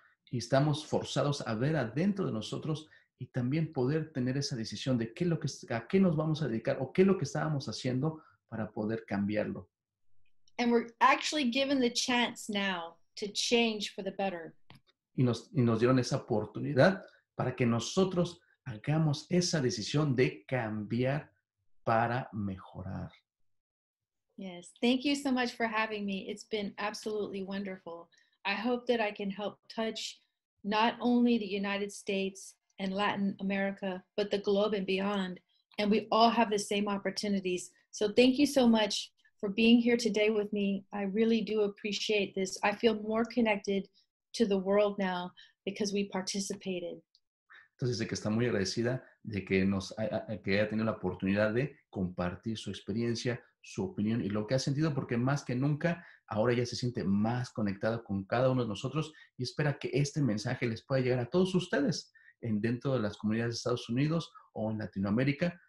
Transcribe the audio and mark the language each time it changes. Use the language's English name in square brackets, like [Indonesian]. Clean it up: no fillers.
[Spanish] Y estamos forzados a ver adentro de nosotros y también poder tener esa decisión de qué es lo que, a qué nos vamos a dedicar o qué es lo que estábamos haciendo para poder cambiarlo. [English] And we're actually given the chance now to change for the better. [Spanish] Y nos dieron esa oportunidad para que nosotros hagamos esa decisión de cambiar para mejorar. [English] Yes, thank you so much for having me. It's been absolutely wonderful. I hope that I can help touch not only the United States and Latin America, but the globe and beyond. And we all have the same opportunities. So thank you so much for being here today with me. I really do appreciate this. I feel more connected to the world now because we participated. [Spanish] Entonces dice que está muy agradecida de que nos que haya tenido la oportunidad de compartir su experiencia, su opinión y lo que ha sentido, porque más que nunca ahora ya se siente más conectada con cada uno de nosotros y espera que este mensaje les pueda llegar a todos ustedes en dentro de las comunidades de Estados Unidos o en Latinoamérica.